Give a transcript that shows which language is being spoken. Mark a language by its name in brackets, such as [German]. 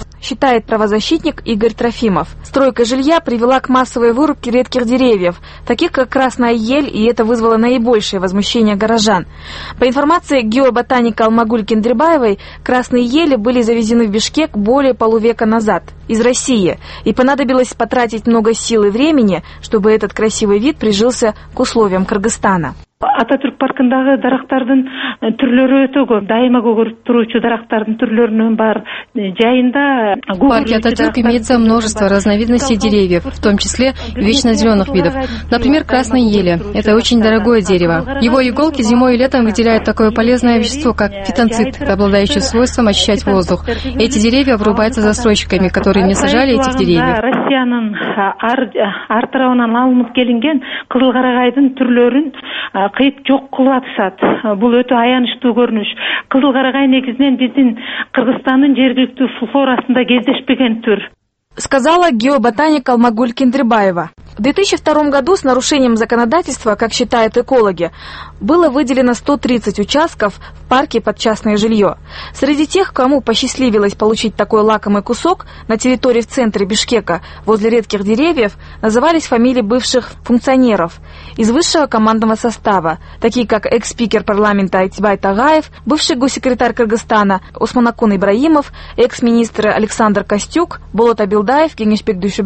[Russian] Считает правозащитник Игорь Трофимов. Стройка жилья привела к массовой вырубке редких деревьев, таких как красная ель, и это вызвало наибольшее возмущение горожан. По информации геоботаника Алмагуль Кендербаевой, красные ели были завезены в Бишкек более полувека назад, из России, и понадобилось потратить много сил и времени, чтобы этот красивый вид прижился к условиям Кыргызстана. [Kyrgyz] Ататюрк паркындагы дарактардын түрлөрү өтө көп. Дайыма көгөрүп туруучу дарактардын түрлөрүнүн бар жайында. [Russian] В парке Ататюрк имеется множество разновидностей деревьев, в том числе вечно зеленых видов. Например, красные ели. Это очень дорогое дерево. Его иголки зимой и летом выделяют такое полезное вещество, как фитонцид, обладающий свойством очищать воздух. Эти деревья врубаются застройщиками, которые не сажали этих деревьев. [Kyrgyz] Россиянын ар тарабынан алынып келинген кызыл карагайдын түрлөрүн кыйып жок кылып атышат. Бул өтө аянычтуу көрүнүш. Кызыл карагай негизинен биздин Кыргызстандын жергиликтүү флорасында кездешпеген түр. [Russian] Сказала геоботаник Алмагуль Кендербаева. В 2002 году с нарушением законодательства, как считают экологи, было выделено 130 участков в парке под частное жилье. Среди тех, кому посчастливилось получить такой лакомый кусок на территории в центре Бишкека, возле редких деревьев, назывались фамилии бывших функционеров из высшего командного состава, такие как экс-спикер парламента Айтибай Тагаев, бывший госсекретарь Кыргызстана Усманакун Ибраимов, экс-министр Александр Костюк, Болот Абилдаев, Кеңешбек Дүйшөбаев.